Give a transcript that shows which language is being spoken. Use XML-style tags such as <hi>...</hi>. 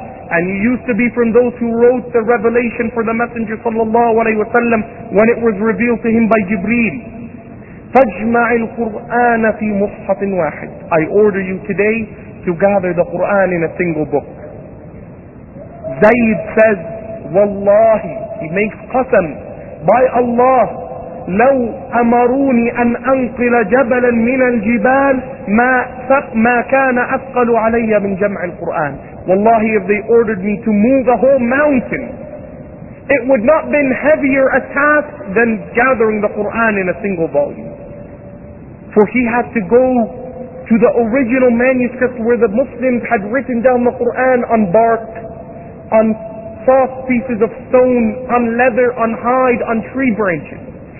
<en>And you used to be from those who wrote the revelation for the Messenger sallallahu alayhi wa sallam when it was revealed to him by Jibreel.</en> <ar>فَاجْمَعِ الْقُرْآنَ فِي مُصْحَفٍ وَاحِدٍ.</ar> <en>I order you today to gather the Qur'an in a single book. Zayd says,</en> <ar>وَاللَّهِ,</ar> <en>he makes qasam, by Allah,</en> <ar>لو أمروني أن أنقل جبلا من الجبال ما كان أثقل علي من جمع القرآن.</ar> <en>Wallahi, if they ordered me to move a whole mountain, it would not have been heavier a task than gathering the Quran in a single volume. For he had to go to the original manuscript where the Muslims had written down the Quran on bark, on soft pieces of stone, on leather, on hide, on tree branches.</en>